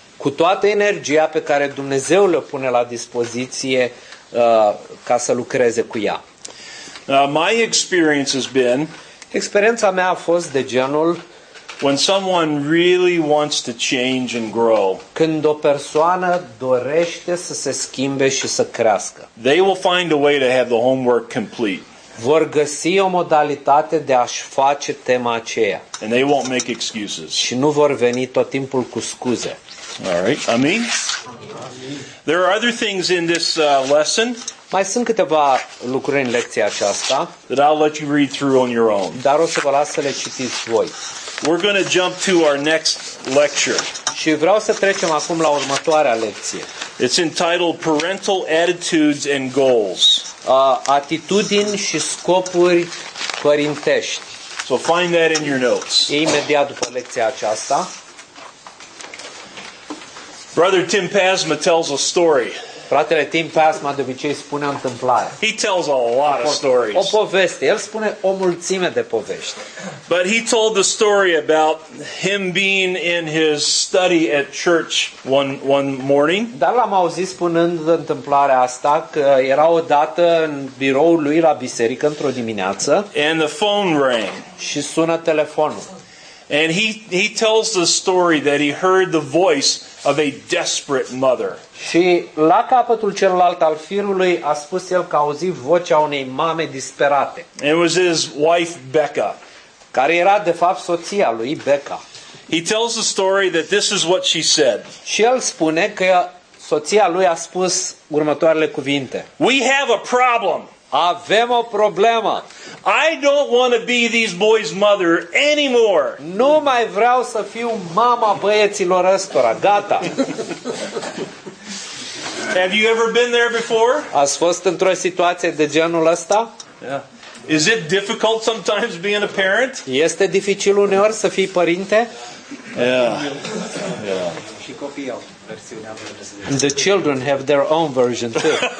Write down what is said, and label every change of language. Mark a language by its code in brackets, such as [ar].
[ro] Cu toată energia pe care Dumnezeu le pune la dispoziție ca să lucreze cu ea. [en] My experience has been. [ro] Experiența mea a fost de genul. [en] When someone really wants to change and grow. [ro] Când o persoană dorește să se schimbe și să crească. [en] They will find a way to have the homework complete. [ro] Vor găsi o modalitate de a-și face tema aceea. [en] And they won't make excuses. [ro] Și nu vor veni tot timpul cu scuze. [en] All right. Amin. There are other things in this lesson. [ro] Mai sunt câteva lucruri în lecția aceasta. [en] That I'll let you read through on your own. [ro] Dar o să vă las să le citiți voi. [en] We're going to jump to our next lecture. [ro] Și vreau să trecem acum la următoarea lecție. [en] It's entitled Parental Attitudes and Goals. [ro] Atitudini și scopuri părintești. [en] So find that in your notes. [ro] Imediat după lecția aceasta. [en] Brother Tim Pasma tells a story. [ro] Fratele Tim Pasma de obicei spune o întâmplare. [en] He tells a lot of stories. [ro] O poveste. El spune o mulțime de povești. [en] But he told the story about him being in his study at church one morning. [ro] Dar l-am auzit spunând întâmplarea asta că era o dată în biroul lui la biserică într-o dimineață. [en] And the phone rang. [ro] Și sună telefonul. [en] And he tells the story that he heard the voice of a desperate mother. [ro] Și la capătul celălalt al firului a spus el că a auzit vocea unei mame disperate. [en] It was his wife Becca. [ro] Care era de fapt soția lui Becca. [en] He tells the story that this is what she said. [ro] Și el spune că soția lui a spus următoarele cuvinte. [en] We have a problem. [ro] Avem o problemă. [en] I don't want to be these boys' mother anymore. [ro] Nu mai vreau să fiu mama băieților ăstora. Gata. [en] Have you ever been there before? [ro] Ați fost într-o situație de genul ăsta? [en] Yeah. Is it difficult sometimes being a parent? [ro] Este dificil uneori să fii părinte? [en] Yeah. [ro] Și copiii au versiunea lor. [en] The children have their own version too.